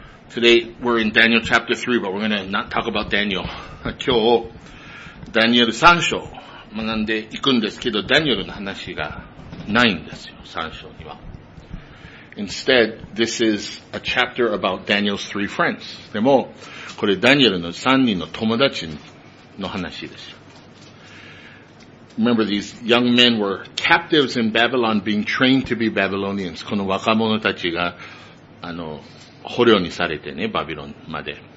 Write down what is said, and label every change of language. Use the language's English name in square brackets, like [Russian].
[English] Today we're in Daniel chapter 3, but we're going to not talk about Daniel. [Japanese] 今日、ダニエル3章学んでいくんですけど、ダニエルの話がないんですよ、3章には。 [English] Instead, this is a chapter about Daniel's three friends. [Japanese] でも、これダニエルの3人の友達の話です。 [English] Remember, these young men were captives in Babylon being trained to be Babylonians. [Japanese] この若者たちが、捕虜にされてね、バビロンまで。